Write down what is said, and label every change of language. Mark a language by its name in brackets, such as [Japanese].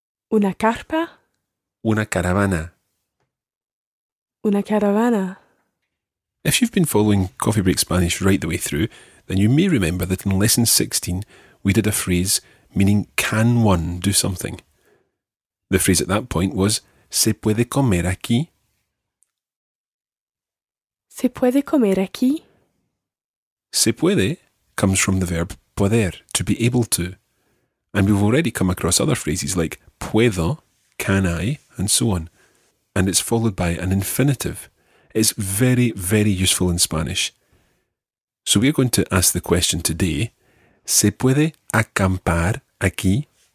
[Spanish] Una carpa. Una caravana. Una caravana. [English] If you've been following Coffee Break Spanish right the way through, then you may remember that in lesson 16, we did a phrase meaning, can one do something? The phrase at that point was, [Spanish] ¿se puede comer aquí? ¿Se puede comer aquí? Se puede [English] comes from the verb poder, to be able to. And we've already come across other phrases like puedo, can I, and so on. And it's followed by an infinitive. It's very, very useful in Spanish. So we're going to ask the question today, [Spanish] ¿Se puede acampar aquí?